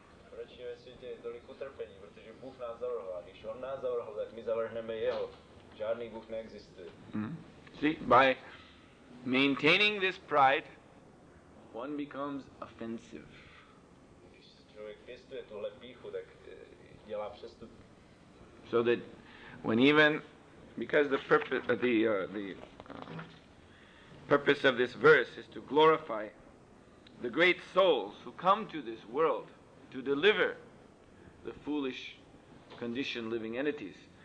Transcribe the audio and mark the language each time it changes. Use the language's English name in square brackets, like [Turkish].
[Czech] Proč je ve světě tolik utrpení? Protože Bůh nás zavrhl. A když on nás zavrhl, tak my zavrhneme jeho. Žádný Bůh neexistuje. [English] See, by maintaining this pride, one becomes offensive. [Czech] Když člověk pěstuje tuhle píchu, tak dělá přestup. [English] So that when even, because the purpose of the purpose of this verse is to glorify the great souls who come to this world to deliver the foolish conditioned living entities.